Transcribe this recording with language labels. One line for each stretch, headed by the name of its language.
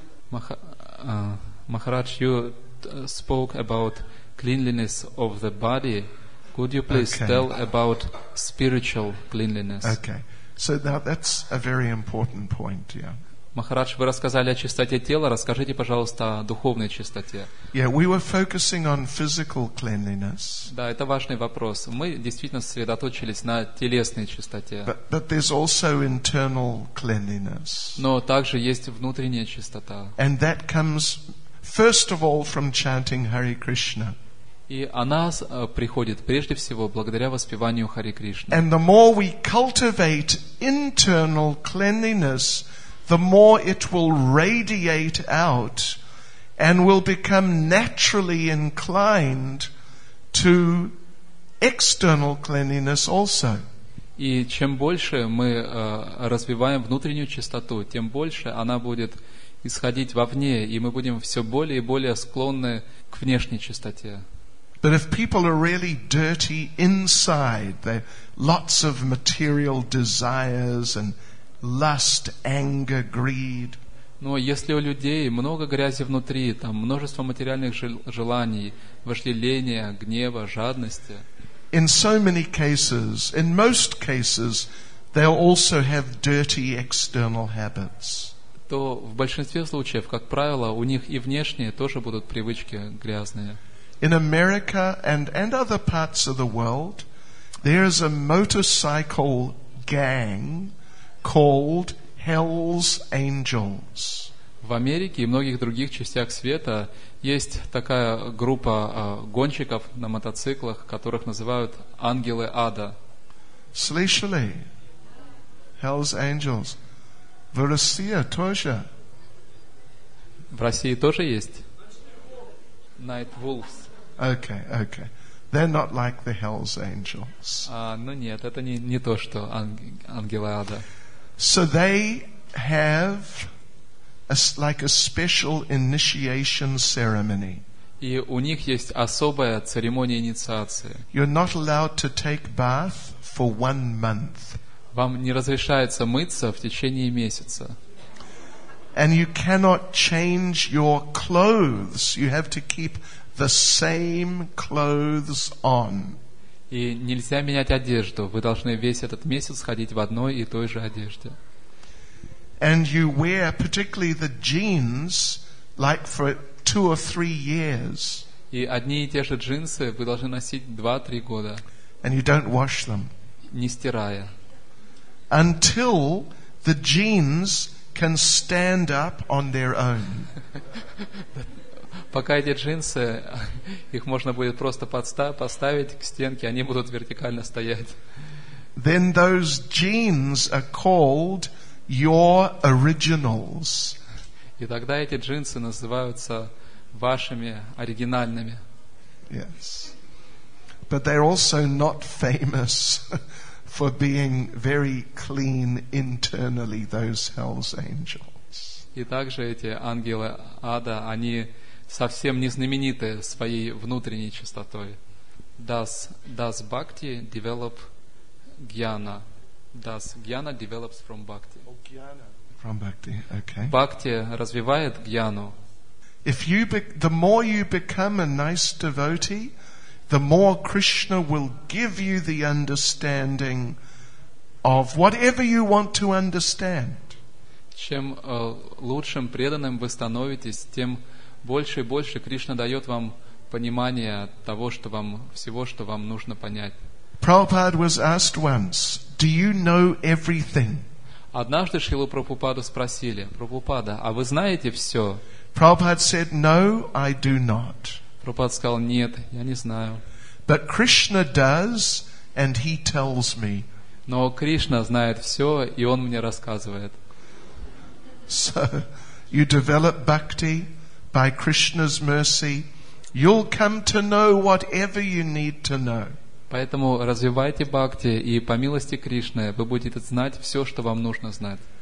English: Maharaj, you spoke about cleanliness of the body. Could you please tell about spiritual cleanliness? Okay. So now that's a very important point, yeah.
Russian: Maharaj, вы рассказали о чистоте тела. Расскажите, пожалуйста, о духовной чистоте.
English: Yeah, we were focusing on physical cleanliness.
Russian: Да, это важный вопрос. Мы действительно сосредоточились на телесной чистоте.
English: But there's also internal cleanliness.
Russian: Но также есть внутренняя чистота.
English: And that comes first of all from chanting Hare Krishna.
Russian: И она приходит прежде всего благодаря воспеванию Хари Кришны.
English: And the more we cultivate internal cleanliness, the more it will radiate out and will become naturally inclined to external cleanliness also.
Russian: И чем больше мы развиваем внутреннюю чистоту, тем больше она будет исходить вовне, и мы будем все более и более склонны к внешней чистоте.
English: But if people are really dirty inside, they lots of material desires and lust, anger, greed.
Russian: Но если у людей много грязи внутри, там множество материальных желаний, вожделения, гнева, жадности.
English: In so many cases, in most cases, they'll also have dirty external habits.
Russian: То в большинстве случаев, как правило, у них и внешние тоже будут привычки грязные.
English: In America and other parts of the world, there is a motorcycle gang called Hell's Angels.
Russian: В Америке и многих других частях света есть такая группа гонщиков на мотоциклах, которых называют ангелы ада. Слышали? Hell's Angels. В России тоже. В России тоже есть? Night Wolves.
English: Okay. They're not like the Hell's Angels.
Russian: Ну нет, это не то, что ангелы ада.
English: So they have a special initiation ceremony.
Russian: И у них есть особая церемония инициации.
English: You're not allowed to take bath for 1 month.
Russian: Вам не разрешается мыться в течение месяца.
English: And you cannot change your clothes. You have to keep the same clothes on.
Russian: И нельзя менять одежду. Вы должны весь этот месяц ходить в одной и той же одежде.
English: And you wear particularly the jeans like for 2 or 3 years.
Russian: И одни и те же джинсы вы должны носить 2-3 года.
English: And you don't wash them.
Russian: Не стирая.
English: Until the jeans can stand up on their own.
Russian: Пока эти джинсы, их можно будет просто поставить к стенке, они будут вертикально стоять.
English: Then those jeans are called your originals.
Russian: И тогда эти джинсы называются вашими оригинальными.
English: Yes. But they're also not famous for being very clean internally, those Hell's Angels.
Russian: И также эти ангелы ада, они совсем не знамениты своей внутренней чистотой.
English: Does bhakti develop jnana? Does jnana develops from bhakti? From bhakti, okay.
Russian: Bhakti развивает jnану.
English: If you the more you become a nice devotee, the more Krishna will give you the understanding of whatever you want to understand.
Russian: Чем лучшим преданным вы становитесь, тем больше и больше Кришна дает вам понимание того, что вам, всего, что вам нужно понять.
English: Prabhupada was asked once, "Do you know everything?"
Russian: Однажды Шрилу Прабхупаду спросили: "Прабхупада, а вы знаете все?"
English: Prabhupada said, "No, I do not."
Russian: Прабхупада сказал: "Нет, я не знаю."
English: But Krishna does, and he tells me.
Russian: Но Кришна знает все, и он мне рассказывает.
English: So, you develop bhakti by Krishna's mercy. You'll come to know whatever you need to know.
Russian: Поэтому развивайте бхакти, и по милости Кришны вы будете знать все, что вам нужно знать.